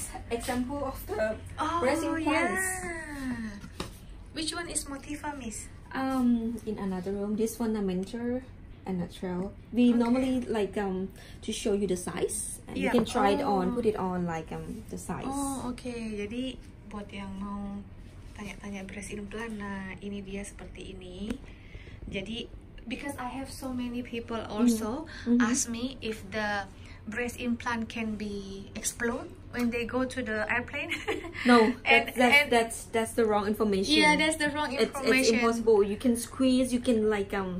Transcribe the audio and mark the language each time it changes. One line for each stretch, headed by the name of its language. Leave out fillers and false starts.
English: Example of the breast implants. Yeah. Which one is Motiva, Miss? In another room. This one, the Mentor and Natural. We okay. Normally like to show you the size. Yeah. You can try it on, put it on like the size. Oh, okay.
Indonesian: Jadi buat yang mau tanya-tanya breast implant, nah ini dia seperti ini.
English: Jadi because I have so many people also ask me if the breast implant can be explode when they go to the airplane. No, that's the wrong information. Yeah, that's the wrong information. It's impossible. You can squeeze, you can like